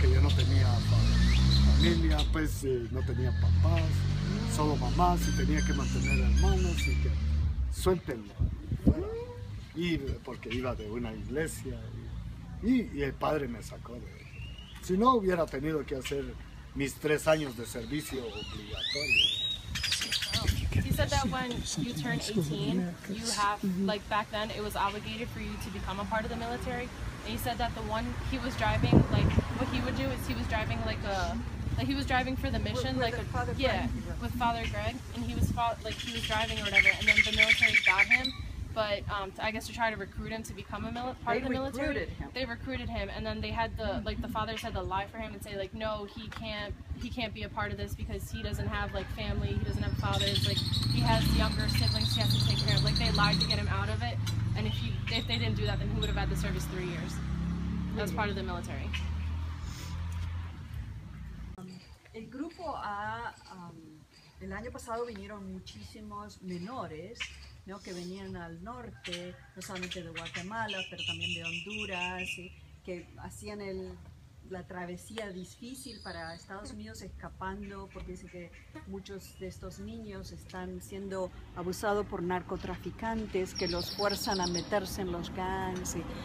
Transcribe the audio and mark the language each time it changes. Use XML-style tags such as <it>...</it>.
<es>Que yo no tenía familia, pues no tenía papás, solo mamás, y tenía que mantener hermanos y que suéltenlo. Y porque iba de una iglesia y el padre me sacó de él. Si no hubiera tenido que hacer mis 3 años de servicio obligatorio.</es> <en>He said that when you turn 18, you have, like back then, it was obligated for you to become a part of the military. And he said that the one he was driving, like what he would do is he was driving like a, like he was driving for the mission, with Father Greg. And he was, like he was driving or whatever, and then the military got him. But I guess to try to recruit him to become a part of the military. They recruited him. They recruited him, and then they had the fathers had to lie for him and say like, no, he can't be a part of this because he doesn't have like family, he doesn't have fathers, like he has younger siblings he has to take care of. Like they lied to get him out of it, and if they didn't do that, then he would have had to serve 3 years. That was part of the military.</en> <es>El grupo A, el año pasado vinieron muchísimos menores, ¿no? Que venían al norte, no solamente de Guatemala, pero también de Honduras, ¿sí? Que hacían la travesía difícil para Estados Unidos, escapando, porque dicen que muchos de estos niños están siendo abusados por narcotraficantes que los fuerzan a meterse en los gangs, ¿sí?</es>